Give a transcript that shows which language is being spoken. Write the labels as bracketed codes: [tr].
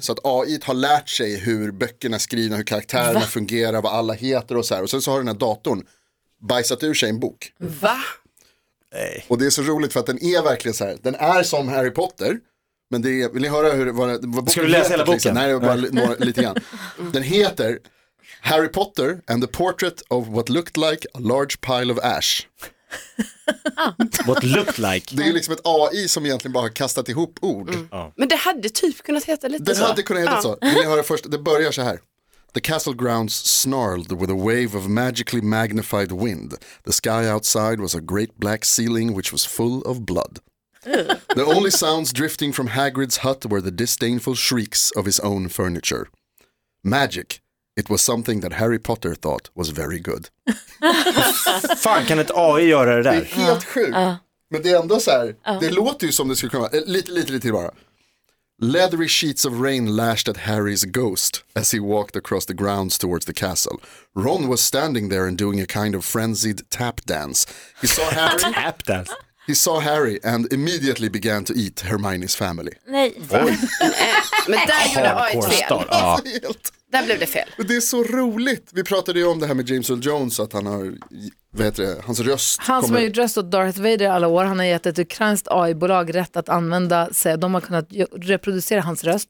[sv] Så att AI har lärt sig hur böckerna är skrivna, hur karaktärerna fungerar, vad alla heter och så här. Och sen så har den här datorn bajsat ur sig en bok. Va? Nej. Och det är så roligt för att den är verkligen så här. Den är som Harry Potter. Men det är, vill ni höra vad ska du läsa hela boken? Liksom? Nej, bara lite grann. Den heter Harry Potter and the Portrait of What Looked Like a Large Pile of Ash. [en] What looked like. [sv] Det är liksom ett AI som egentligen bara har kastat ihop ord. Men det hade typ kunnat heta lite den så. Det hade kunnat heta så. Vill ni höra först? Det börjar så här. [en] The castle grounds snarled with a wave of magically magnified wind. The sky outside was a great black ceiling which was full of blood. The only sounds drifting from Hagrid's hut were the disdainful shrieks of his own furniture. Magic. It was something that Harry Potter thought was very good. [sv] Fan, kan ett AI göra det där? Det är helt sjukt. Men det är ändå så här. Det låter ju som det skulle komma. Lite bara. [en] Leathery sheets of rain lashed at Harry's ghost as he walked across the grounds towards the castle. Ron was standing there and doing a kind of frenzied tap dance. He saw Harry. Tap dance. He saw Harry and immediately began to eat Hermione's family. [sv] Nej. Oj. Men där gjorde jag ett fel. Ja. Där blev det fel. Det är så roligt. Vi pratade ju om det här med James Earl Jones, att han har, vet du, hans röst. Han som har gjort röst åt Darth Vader alla år, han har gett ett ukrainskt AI-bolag rätt att använda sig. De har kunnat reproducera hans röst.